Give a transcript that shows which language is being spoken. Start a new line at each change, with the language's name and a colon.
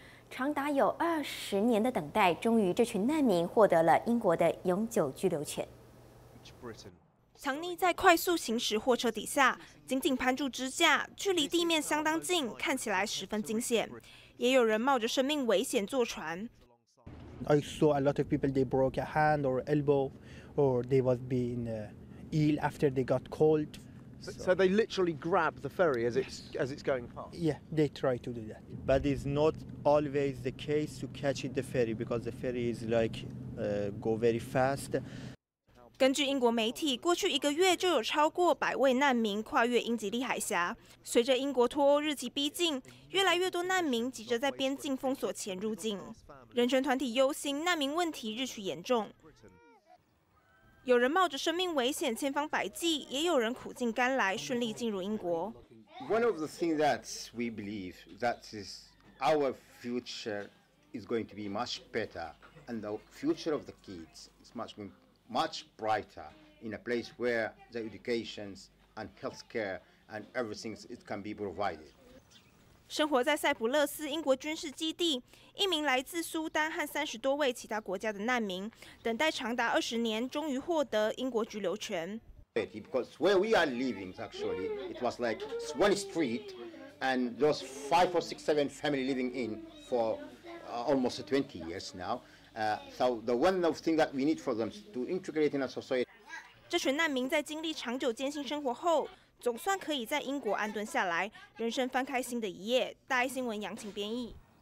Chinese: 长达有20年的等待，终于这群难民获得了英国的永久居留权。强尼在快速行驶货车底下紧紧攀住支架，距离地面相当近，看起来十分惊险。也有人冒着生命危险坐船。
English: I saw a lot of people, they broke a hand or elbow, or they was being ill after they got cold. So they literally grab the ferry as it's going past? Yeah, they try to do that. But it's not always the case to catch the ferry because the ferry is like go very fast.
Chinese: 根据英国媒体，过去一个月就有超过100位难民跨越英吉利海峡。随着英国脱欧日期逼近，越来越多难民急着在边境封锁前入境。人权团体忧心难民问题日趋严重，有人冒着生命危险千方百计，也有人苦尽甘来顺利进入英国。
English: One of the things that we believe that is our future is going to be much better, and the future of the kids is much brighter in a place where the education and healthcare and everything it can be provided.
Chinese: 生活在塞浦勒斯英国军事基地，一名来自苏丹和30多位其他国家的难民，等待长达20年，终于获得英国居留权。
English: Because where we are living, actually, it was like one street, and those 5 or 6, 7 family living in for almost 20 years now. So the one of thing that we need for them to integrate in a society.
Chinese: 这群难民在经历长久艰辛生活后，总算可以在英国安顿下来，人生翻开新的一页。大爱新闻杨晴编译。